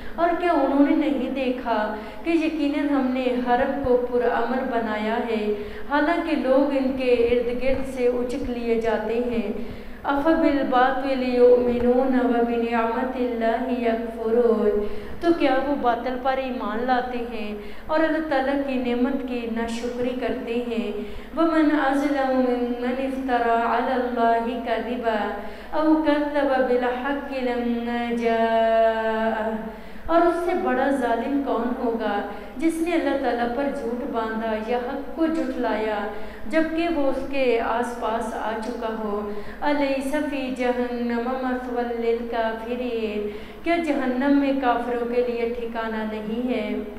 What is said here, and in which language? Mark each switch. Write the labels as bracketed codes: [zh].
[ur] اور کیا انہوں نے نہیں دیکھا کہ یقیناً ہم نے حرم کو پرامن بنایا ہے حالانکہ لوگ ان کے ارد گرد سے اچک لیے جاتے ہیں. [ar] افبالباطل یؤمنون وبنعمت اللہ یکفرون. [ur] تو کیا وہ باطل پر ایمان لاتے ہیں اور اللہ تعالیٰ کی نعمت کی ناشکری کرتے ہیں. [ar] ومن اظلم ممن افترى على الله كذبا او كذب بالحق لما جاء. [ur] اور اس سے بڑا ظالم کون ہوگا جس نے اللہ تعالیٰ پر جھوٹ باندھا یا حق کو جھٹلایا جبکہ وہ اس کے آس پاس آ چکا ہو. [ar] الیس فی جہنم مثوى للکافرین. [ur] کیا جہنم میں کافروں کے لیے ٹھکانہ نہیں ہے.